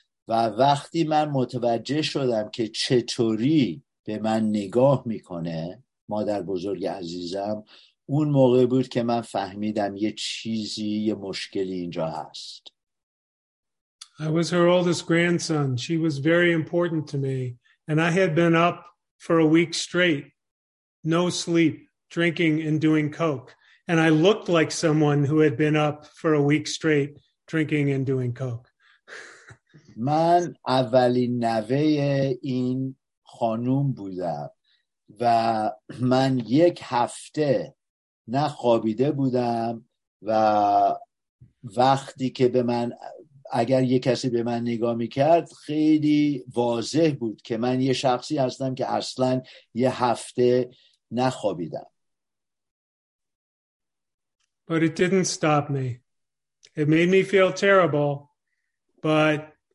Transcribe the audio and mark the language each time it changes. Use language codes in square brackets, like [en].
[fa] و وقتی من متوجه شدم که چطوری به من نگاه میکنه مادر بزرگ عزیزم اون موقع بود که من فهمیدم یه چیزی یه مشکلی اینجا هست. [en] I was her oldest grandson. She was very important to me and I had been up for a week straight no sleep drinking and doing coke and I looked like someone who had been up for a week straight drinking and doing coke. [fa] من اولین نوه این خانوم بودم و من یک هفته نخوابیده بودم و وقتی که به من اگر یک کسی به من نگاه میکرد خیلی واضح بود که من یه شخصی هستم که اصلا یه هفته نخوابیدم. [en] But it didn't stop me. It made me feel terrible, but